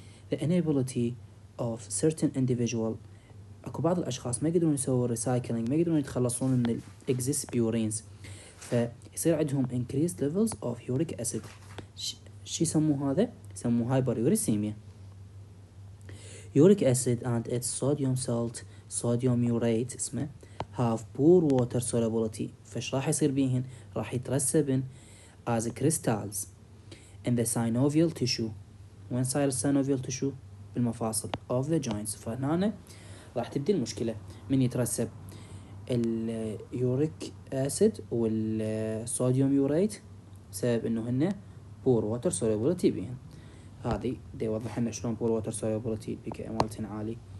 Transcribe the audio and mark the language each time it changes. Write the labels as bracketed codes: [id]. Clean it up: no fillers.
[en] The inability of certain individual، [ar] اكو بعض الاشخاص ما يقدرون يسوون ريسايكلينج، ما يقدرون يتخلصون من الاكزيست بيورينز، فيصير عندهم [en] increased levels of uric acid. [ar] شي يسموه هذا؟ يسموه هايبر يوريسيميا. [en] Uric acid and its sodium salt, sodium urate اسمه، have poor water solubility. [ar] فش راح يصير بيهن؟ راح يترسبن [en] as crystals in the synovial tissue. [ar] وين صاير [en] synovial tissue؟ [ar] بالمفاصل [en] of the joints. [ar] فهنا راح تبدي المشكلة من يترسب ال uric acid وال sodium urate، سبب انه هن poor water solubility بيهن. هذي دي وضح لنا شلون بور ووتر سولوبيليتي بي كي امالتن عالي.